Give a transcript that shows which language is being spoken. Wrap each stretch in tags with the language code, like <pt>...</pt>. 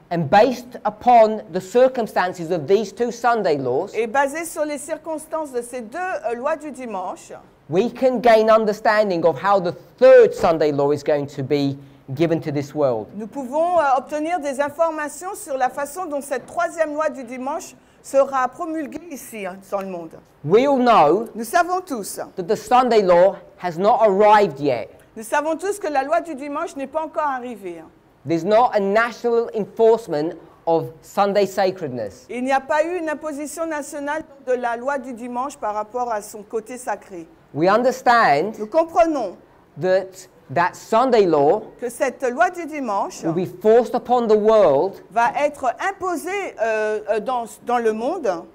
<en>And based upon the circumstances of these two Sunday laws.</en> <fr>Et basé sur les circonstances de ces deux lois du dimanche.</fr> <en>We can gain understanding of how the third Sunday law is going to be given to this world.</en> <fr>Nous pouvons obtenir des informations sur la façon dont cette troisième loi du dimanche sera promulguée ici dans le monde.</fr> <en>We all know.</en> <fr>Nous savons tous.</fr> <en>That the Sunday law has not arrived yet.</en> <fr>Nous savons tous que la loi du dimanche n'est pas encore arrivée.</fr> <en>There's not a national enforcement of Sunday sacredness.</en> <fr>Il n'y a pas eu une imposition nationale de la loi du dimanche par rapport à son côté sacré.</fr> <en>We understand.</en> <fr>Nous comprenons.</fr> <en>That Sunday law</en> <fr>que cette loi du dimanche</fr> <en>will be forced upon the world</en> <fr>va être imposée dans le monde</fr>